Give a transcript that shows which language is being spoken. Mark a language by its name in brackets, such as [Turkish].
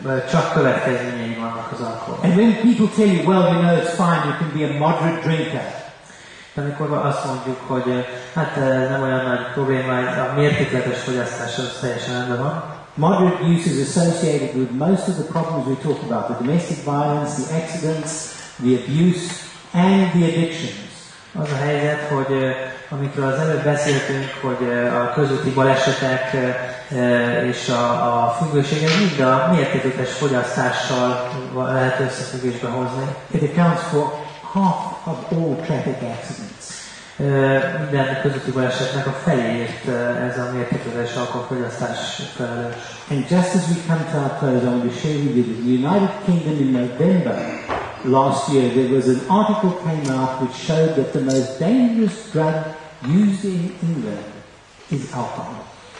[Hungarian] Csak következményei vannak az alkohol. [English] And when people tell you, well, you know, it's fine, you can be a moderate drinker. [Hungarian] De amikor azt mondjuk, hogy hát ez nem olyan nagy probléma, a mértékletes fogyasztás az teljesen rendben van. [English] Moderate use is associated with most of the problems we talk about, the domestic violence, the accidents, the abuse, and the addictions. [Hungarian] Az a helyzet, hogy amikről az előbb beszéltünk, hogy a közúti balesetek és a függőségek mind a mértékletes fogyasztással lehet összefüggésbe hozni. [English] It accounts for half of all traffic accidents. [Hungarian] Minden közúti balesetnek a feléért ez a mértékletes alkoholfogyasztás felelős. [English] And just as we come to our close, I want to share with you that the United Kingdom in November last year, there was an article came out which showed that the most dangerous drug used in England is alcohol.